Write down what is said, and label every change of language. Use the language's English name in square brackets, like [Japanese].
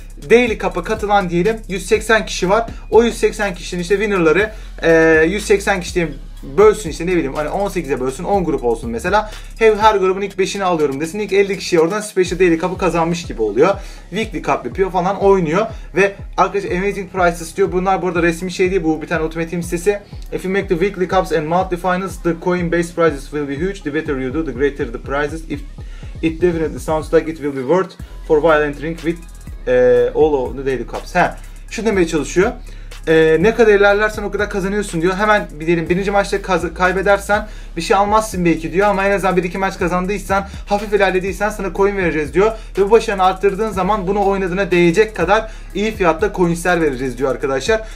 [Turkish] Daily Cup'a katılan diyelim 180 kişi var. O 180 kişinin işte winner'ları 180 kişiye bölsün, işte ne bileyim hani 18'e bölsün, 10 grup olsun mesela. Her grubun ilk 5'ini alıyorum desin, ilk 50 kişiye oradan Special Daily Cup'ı kazanmış gibi oluyor. Weekly Cup yapıyor falan, oynuyor. Ve arkadaşlar Amazing Prices diyor, bunlar burada resmi şey değil, bu bir tane Ultimate Team sitesi. [English] If you make the Weekly Cups and Monthly Finals, the coin base prizes will be huge. The better you do, the greater the prizes. If it definitely sounds like it will be worth for while entering with all of the Daily Cups. [Turkish] Şu demeye çalışıyor. Ne kadar ilerlersen o kadar kazanıyorsun diyor. Hemen diyelim birinci maçta kaybedersen bir şey almazsın belki diyor, ama en azından bir iki maç kazandıysan, hafif ilerlediysen sana coin vereceğiz diyor. Ve bu başarını arttırdığın zaman bunu oynadığına değecek kadar iyi fiyatta coinsler vereceğiz diyor arkadaşlar.